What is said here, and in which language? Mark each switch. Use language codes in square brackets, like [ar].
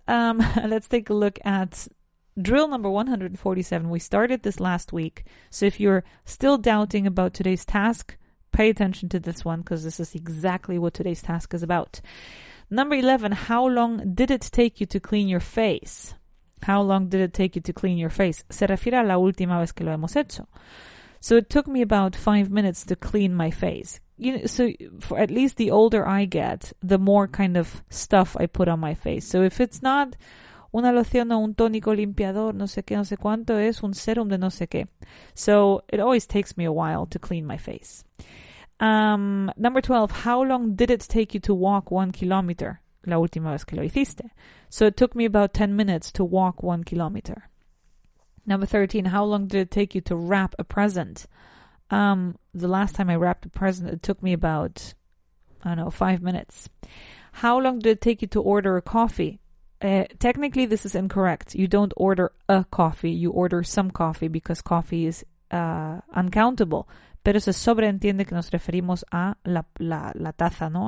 [en] Let's take a look at drill number 147. We started this last week. So if you're still doubting about today's task, pay attention to this one, because this is exactly what today's task is about. Number 11. How long did it take you to clean your face? How long did it take you to clean your face? [es] Se refiere a la última vez que lo hemos hecho. [en] So it took me about 5 minutes to clean my face. You know, so for at least the older I get, the more kind of stuff I put on my face. So if it's not [es] una loción o un tónico limpiador, no sé qué, no sé cuánto, es un serum de no sé qué. [en] So it always takes me a while to clean my face. Number 12, how long did it take you to walk 1 kilometer? [es] La última vez que lo hiciste. [en] So it took me about 10 minutes to walk 1 kilometer. Number 13, how long did it take you to wrap a present? The last time I wrapped a present, it took me about, I don't know, 5 minutes. How long did it take you to order a coffee? Technically, this is incorrect. You don't order a coffee. You order some coffee because coffee is uncountable. [es] Pero se sobreentiende que nos referimos a la taza, ¿no?